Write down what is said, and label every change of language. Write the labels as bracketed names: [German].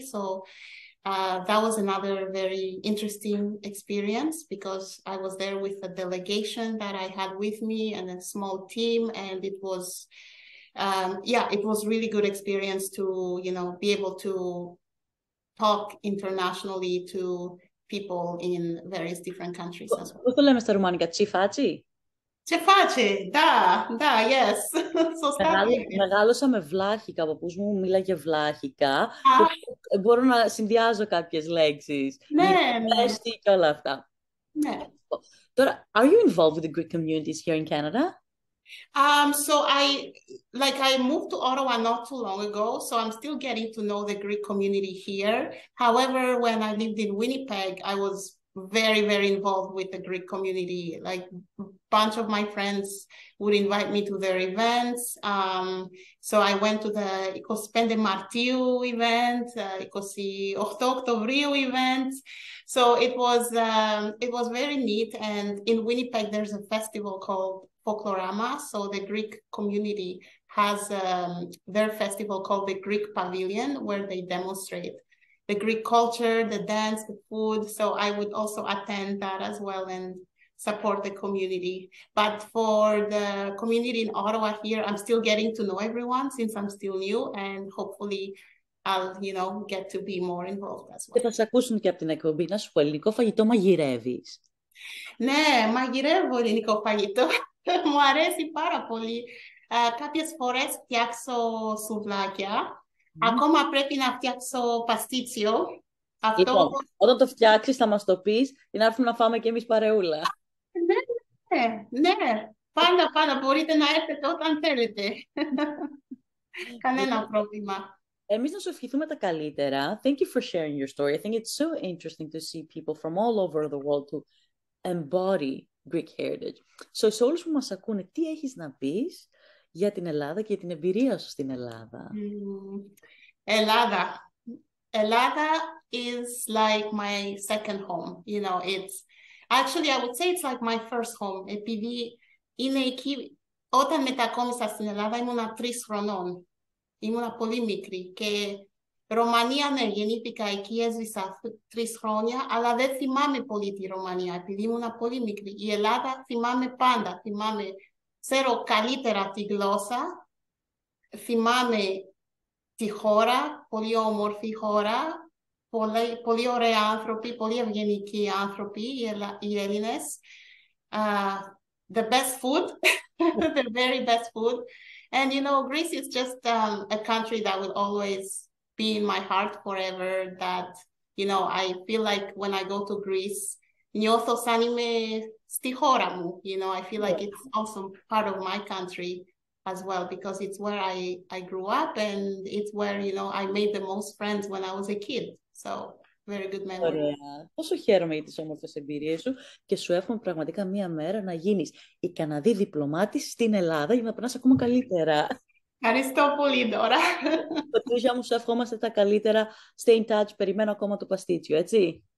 [English] So that was another very interesting experience because I was there with a delegation that I had with me and a small team. And it was, it was really good experience to, you know, be able to talk internationally to people in various different countries as well. [Greek] Πώς το λέμε στα ρουμάνικα, τσιφάτσι? [Romanian] Τσιφάτσι, ντα, [English] yes. [Greek] Μεγάλωσα με βλάχικα, ο παππούς μου μίλαγε βλάχικα. Μπορώ να συνδυάζω κάποιες λέξεις. Ναι. Και όλα αυτά. Ναι. [English] Τώρα, are you involved with the Greek communities here in Canada? So I moved to Ottawa not too long ago, so I'm still getting to know the Greek community here. However, when I lived in Winnipeg, I was very, very involved with the Greek community. Like a bunch of my friends would invite me to their events. So I went to the 25 Martiu event, 28 Octobriu event. So it was very neat. And in Winnipeg, there's a festival called Folklorama. So the Greek community has their festival called the Greek Pavilion, where they demonstrate the Greek culture, the dance, the food. So I would also attend that as well and support the community. But for the community in Ottawa here, I'm still getting to know everyone since I'm still new, and hopefully I'll, you know, get to be more involved as well. [Greek] Και θα σε ακούσουν και από την εκπομπή να σου πω, ελληνικό φαγητό μαγειρεύεις. Ναι, μαγειρεύω ελληνικό φαγητό. Μου αρέσει πάρα πολύ. Κάποιες φορές φτιάξω σουβλάκια. Mm-hmm. Ακόμα πρέπει να φτιάξω παστίτσιο. Αυτό... Λοιπόν, όταν το φτιάξεις θα μας το πεις για να έρθουμε να φάμε και εμείς παρεούλα. Ναι. Πάντα, μπορείτε να έρθετε όταν θέλετε. Κανένα πρόβλημα. Εμείς να σου ευχηθούμε τα καλύτερα. [English] Thank you for sharing your story. I think it's so interesting to see people from all over the world to embody Greek heritage. [Greek] So, σε όλους που μας ακούνε, τι έχεις να πεις για την Ελλάδα και την εμπειρία σου στην Ελλάδα? [English] Ελλάδα. Ελλάδα is like my second home. You know, it's... Actually, I would say it's like my first home. [Greek] Επειδή είναι εκεί... Όταν μετακόμισα στην Ελλάδα, ήμουνα 3 χρονών. Ήμουνα πολύ μικρή. Και Ρωμανία, ναι, γεννήθηκα εκεί, έζησα 3 χρόνια. Αλλά δεν θυμάμαι πολύ τη Ρωμανία, επειδή ήμουνα πολύ μικρή. Η Ελλάδα θυμάμαι πάντα, θυμάμαι... Ξέρω καλύτερα τη γλώσσα, θυμάμαι τη χώρα, πολύ όμορφη χώρα, πολύ ωραία άνθρωποι, πολύ ευγενικοί άνθρωποι, οι Έλληνες. [English] The best food, the very best food. And you know, Greece is just a country that will always be in my heart forever, that, you know, I feel like when I go to Greece, [Greek] νιώθω σαν είμαι στη χώρα μου. [English] You know, I feel like it's also part of my country as well, because it's where I grew up and it's where, you know, I made the most friends when I was a kid. So Very good memory. [Greek] Ωραία. Πόσο χαίρομαι για τις όμορφες εμπειρίες σου και σου εύχομαι πραγματικά μία μέρα να γίνεις η Καναδή διπλωμάτη στην Ελλάδα για να περνάς ακόμα καλύτερα. Ευχαριστώ πολύ, Ντόρα. Πατρίσια μου, σου ευχόμαστε τα καλύτερα. [English] Stay in touch, [Greek] περιμένω ακόμα το παστίτσιο, έτσι.